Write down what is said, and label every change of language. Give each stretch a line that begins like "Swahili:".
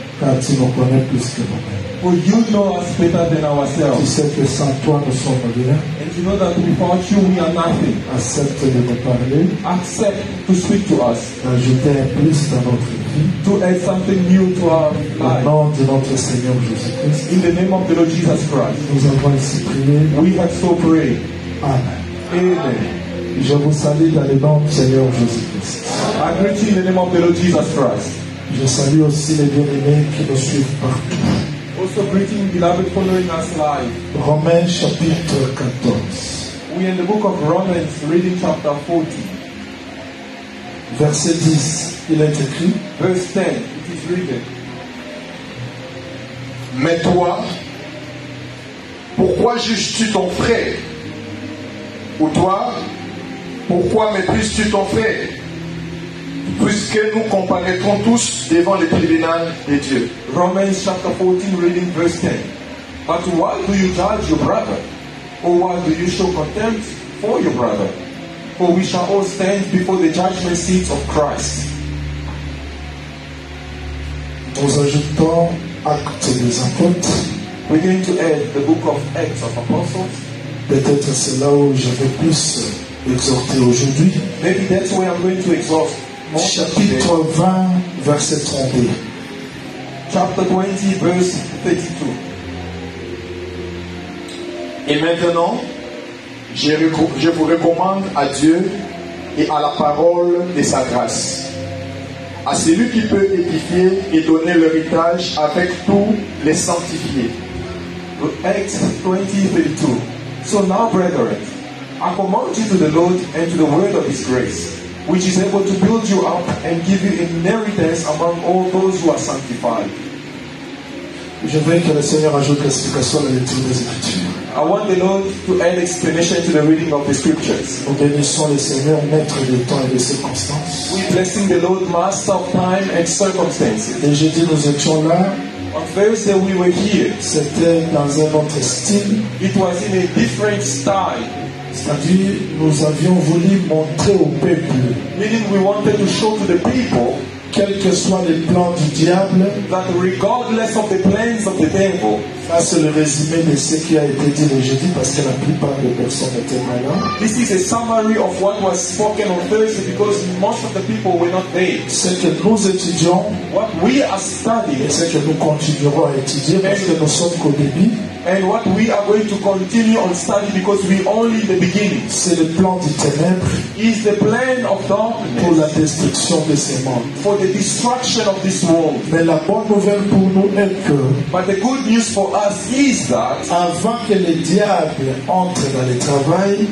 French: Car tu nous connais plus que nous-mêmes.
English: For you know us better than ourselves.
French: Tu sais que sans toi nous sommes rien.
English: And you know that without you we are nothing.
French: Accepte de nous parler.
English: Accept to speak to us.
French: Ajouter plus dans notre vie.
English: To add something new to our life.
French: Au nom de notre Seigneur Jésus Christ.
English: In the name of the Lord Jesus Christ.
French: Nous avons ainsi prié.
English: We have so prayed. Amen. Amen.
French: Je vous salue dans le nom du Seigneur Jésus Christ.
English: I greet you in the name of the Lord Jesus Christ.
French: Je salue aussi les bien-aimés qui nous suivent partout.
English: Also greeting beloved following us live.
French: Romains chapitre 14.
English: We are in the book of Romans, reading chapter 14.
French: Verset 10, il est écrit.
English: Verse 10, it is written.
French: Mais toi, pourquoi juges-tu ton frère? Ou toi, pourquoi méprises-tu ton frère? Puisque nous comparaîtrons tous devant le tribunal de Dieu.
English: Romans chapter 14, reading verse 10. But why do you judge your brother? Or why do you show contempt for your brother? For we shall all stand before the judgment seat of Christ.
French: Nous ajoutons acte des apôtres.
English: We're going to add the book of Acts of Apostles.
French: Peut-être c'est là où je vais plus exhorter aujourd'hui.
English: Maybe that's where I'm going to exhort.
French: Chapitre 20, verset 32.
English: Chapter 20, verse 32.
French: Et maintenant, je vous recommande à Dieu et à la parole de sa grâce, à celui qui peut édifier et donner l'héritage avec tous les sanctifiés.
English: Acts 20, 32. So now, brethren, I commend you to the Lord and to the word of his grace, which is able to build you up and give you inheritance among all those who are sanctified.
French: Je veux que le Seigneur ajoute l'explication à l'étude des Écritures.
English: I want the Lord to add explanation to the reading of the Scriptures.
French: Nous bénissons le Seigneur, maître de temps et de circonstances.
English: We blessing the Lord, master of time and circumstances.
French: Et jeudi, nous étions là.
English: On Thursday we were here.
French: C'était dans un autre style.
English: It was in a different style.
French: C'est-à-dire, nous avions voulu montrer au peuple.
English: Meaning we wanted to show to the people.
French: Quel que soit les plans du diable.
English: That regardless of the plans of the devil.
French: Ça c'est le résumé de ce qui a été dit le jeudi parce que la plupart des personnes étaient malades.
English: This is a summary of what was spoken on Thursday because most of the people were not there.
French: Ce que nous étudions,
English: what we are studying,
French: et ce que nous continuerons à étudier parce que nous sommes qu'au début.
English: And what we are going to continue on study because we only in the beginning.
French: C'est le plan des ténèbres.
English: Is the plan of darkness
French: pour la destruction de ce monde.
English: For the destruction of this world.
French: Mais la bonne nouvelle pour nous est que.
English: But the good news for us is that
French: avant que le diable entre dans le travail,